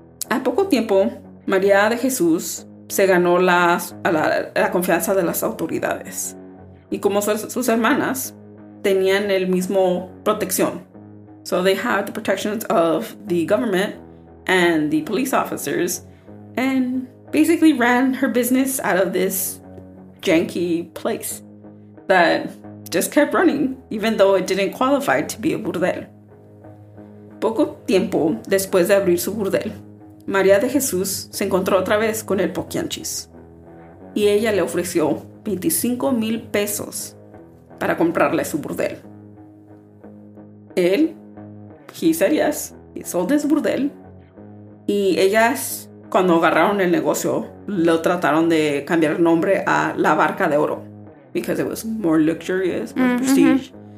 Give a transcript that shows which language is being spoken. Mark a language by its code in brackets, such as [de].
[es] A poco tiempo, María de Jesús se ganó la confianza de las autoridades. Y como sus hermanas, tenían el mismo protección. [en] So they had the protections of the government and the police officers, and basically ran her business out of this janky place that just kept running, even though it didn't qualify to be a burdel. [es] Poco tiempo después de abrir su burdel, María de Jesús se encontró otra vez con el Poquianchis, y ella le ofreció 25,000 pesos para comprarle su burdel. [en] Él, he said yes, he sold his burdel, [es] y ellas, cuando agarraron el negocio, lo trataron de cambiar el nombre a [en] La Barca de Oro, because it was more luxurious, more prestige.